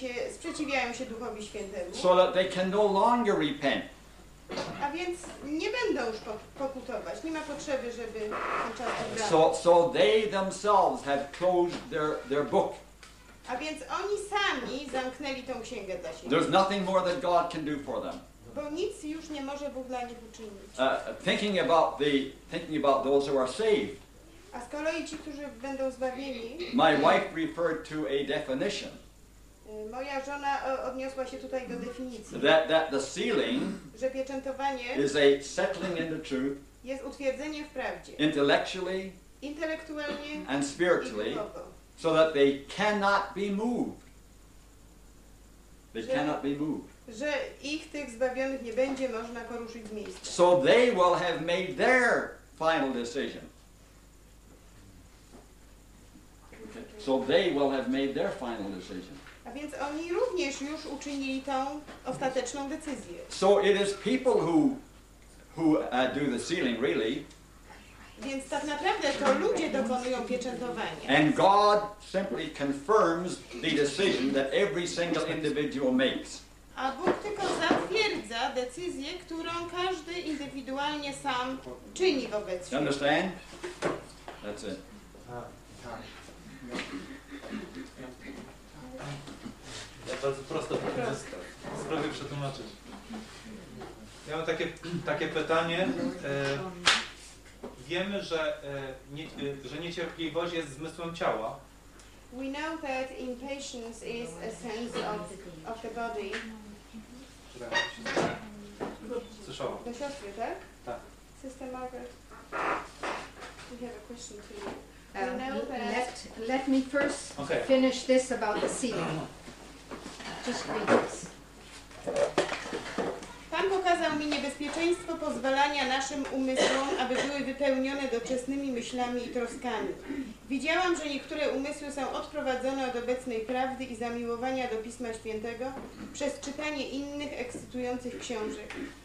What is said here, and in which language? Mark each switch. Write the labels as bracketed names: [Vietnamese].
[Polish] Sprzeciwiają się Duchowi Świętemu. [English] So that they can no longer repent. [Polish] A więc nie będą już pokutować. Nie ma potrzeby, żeby ten czas wybrał. [English] So they themselves have closed their book. [Polish] A więc oni sami zamknęli tą księgę dla siebie. [English] There's nothing more that God can do for them. [Polish] Bo nic już nie może Bóg dla nich uczynić. [English] Thinking about those who are saved. [Polish] A z kolei ci, którzy będą zbawieni. [English] My wife referred to a definition. [Polish] Moja żona odniosła się tutaj do definicji. [English] That the sealing, [Polish] że pieczętowanie [English] is a settling in the truth, [Polish] jest utwierdzenie w prawdzie. [English] Intellectually and spiritually, so that they cannot be moved. Cannot be moved. [Polish] Że ich tych zbawionych nie będzie można poruszyć z miejsca. [English] So they will have made their final decision. So they will have made their final decision. [Polish] A więc oni również już uczynili tą ostateczną decyzję. [English] So it is people who do the sealing, really. [Polish] Więc tak naprawdę to ludzie dokonują pieczętowania. [English] And God simply confirms the decision that every single individual makes. [Polish] A Bóg tylko zatwierdza decyzję, którą każdy indywidualnie sam czyni wobec siebie. [English] You understand? That's it. [Polish] Ja bardzo prosto spróbuję przetłumaczyć. Ja mam takie pytanie. Wiemy, że niecierpliwość jest zmysłem ciała. [English] We know that impatience is a sense of the body. [Polish] Słyszałam. Do siostry, tak? Tak. [English] Sister Margaret, we have a question to you. We know that let me first finish this about the ceiling. [Polish] Pan pokazał mi niebezpieczeństwo pozwalania naszym umysłom, aby były wypełnione doczesnymi myślami i troskami. Widziałam, że niektóre umysły są odprowadzone od obecnej prawdy i zamiłowania do Pisma Świętego przez czytanie innych ekscytujących książek.